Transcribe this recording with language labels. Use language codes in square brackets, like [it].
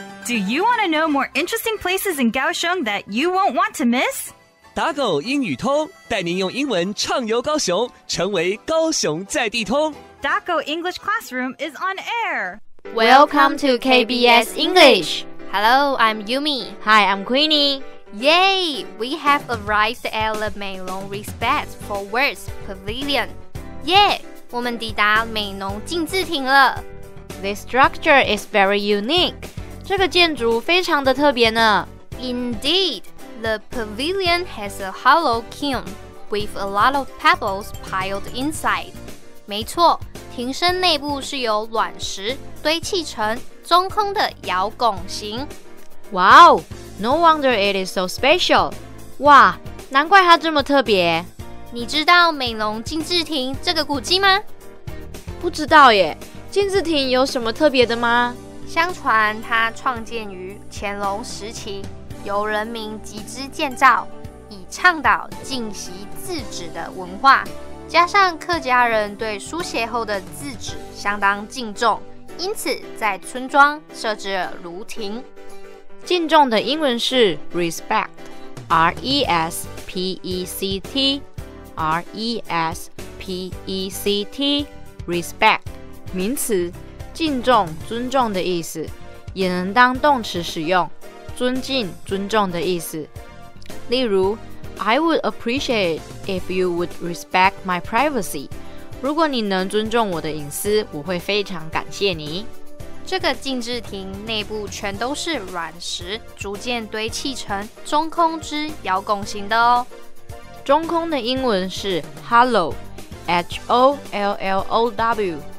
[en] Do you want to know more interesting places in Kaohsiung that you won't want to miss? [zh] 打狗英语通，带您用英文畅游高雄，成为高雄在地通。 [en] 打狗 English Classroom is on air. Welcome to KBS English. Hello, I'm Yumi. Hi, I'm Queenie. Yay! We have arrived at the Meinong Respect for Words Pavilion. [zh] Yeah, 我们抵达美濃敬字亭了。 [en] This structure is very unique. [zh] 这个建筑非常的特别呢。 [en] Indeed, the pavilion has a hollow kiln with a lot of pebbles piled inside. [zh] 没错，亭身内部是由卵石堆砌成中空的窯拱形。 [en] Wow, no wonder it is so special. [zh] 哇，难怪它这么特别。你知道美濃敬字亭这个古迹吗？不知道耶。敬字亭有什么特别的吗？相传它创建于乾隆时期，由人民集资建造，以倡导敬惜字纸的文化。加上客家人对书写后的字纸相当敬重，因此在村庄设置了炉亭。敬重的英文是 respect，R-E-S-P-E-C-T，R-E-S-P-E-C-T，respect。名词，敬重、尊重的意思，也能当动词使用，尊敬、尊重的意思。例如 [en] ，I would appreciate if you would respect my privacy。 [zh] 如果你能尊重我的隐私，我会非常感谢你。这个敬字亭内部全都是卵石，逐渐堆砌成中空之窯拱形的哦。中空的英文是 hollow，H-O-L-L-O-W。